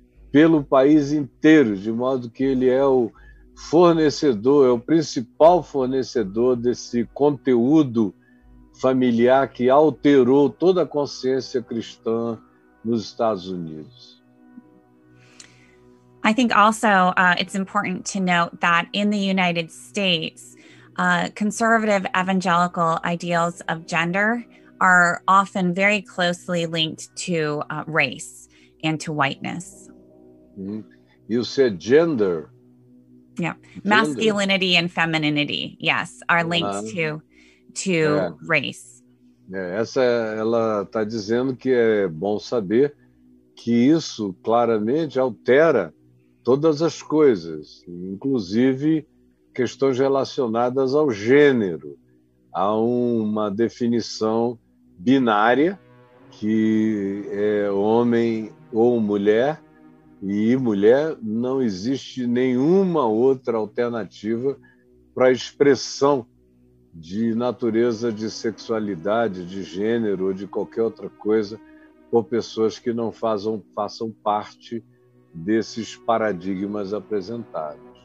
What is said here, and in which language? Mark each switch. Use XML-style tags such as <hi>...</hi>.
<pt>pelo país inteiro, de modo que ele é o fornecedor, é o principal fornecedor desse conteúdo familiar que alterou toda a consciência cristã nos Estados Unidos.</pt> <en>I think also it's important to note that in the United States, conservative evangelical ideals of gender are often very closely linked to race and to whiteness. You said gender. Yeah, gender. Masculinity and femininity, yes, are linked to race.</en> <pt>É, essa, ela está dizendo que é bom saber que isso claramente altera todas as coisas, inclusive questões relacionadas ao gênero. Há uma definição binária que é homem ou mulher, e mulher não existe nenhuma outra alternativa para expressão de natureza de sexualidade, de gênero ou de qualquer outra coisa por pessoas que não façam parte desses paradigmas apresentados.</pt>